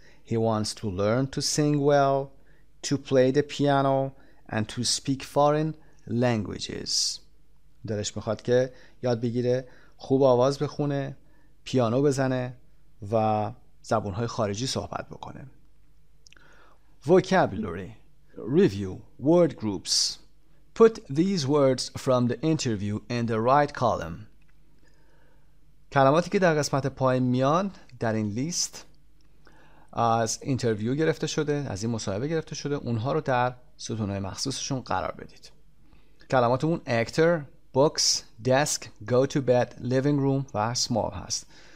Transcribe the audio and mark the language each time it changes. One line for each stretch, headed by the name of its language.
English: He wants to learn to sing well, to play the piano, and to speak foreign languages.
Persian: دلش میخواد که یاد بگیره خوب آواز بخونه، پیانو بزنه و زبونهای خارجی صحبت بکنه.
English: Vocabulary. Review. Word groups. Put these words from the interview in the right column.
Persian: کلماتی که در قسمت پایین میان در این لیست از اینترویو گرفته شده، از این مصاحبه گرفته شده، اونها رو در ستونهای مخصوصشون قرار بدید. کلماتمون actor, books, desk, go to bed, living room و small هست.